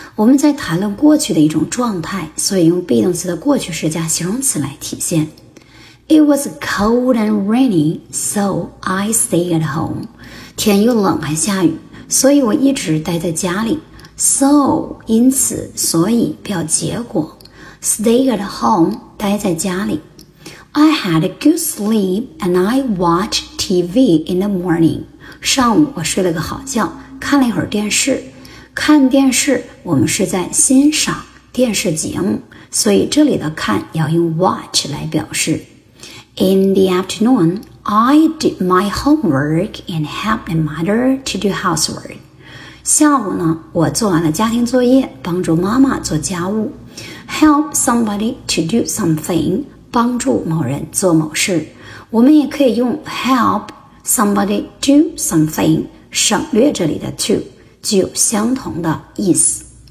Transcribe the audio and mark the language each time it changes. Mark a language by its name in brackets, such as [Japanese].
[Chinese] 我们在谈论过去的一种状态，所以用 be 动词的过去式加形容词来体现。 [English] It was cold and rainy, so I stayed at home. [Chinese] 天又冷还下雨，所以我一直待在家里。 So, 因此，所以表结果。 [English] Stay at home, [Chinese] 待在家里。 [English] I had a good sleep and I watched TV in the morning. [Chinese] 上午我睡了个好觉，看了一会儿电视。看电视，我们是在欣赏电视节目，所以这里的看要用 watch 来表示。 [English] In the afternoon, I did my homework and helped my mother to do housework. [Chinese] 下午呢，我做完了家庭作业，帮助妈妈做家务。 [English] Help somebody to do something. [Chinese] 帮助某人做某事，我们也可以用 [English] help somebody do something [Chinese] 省略这里的 to， 具有相同的意思。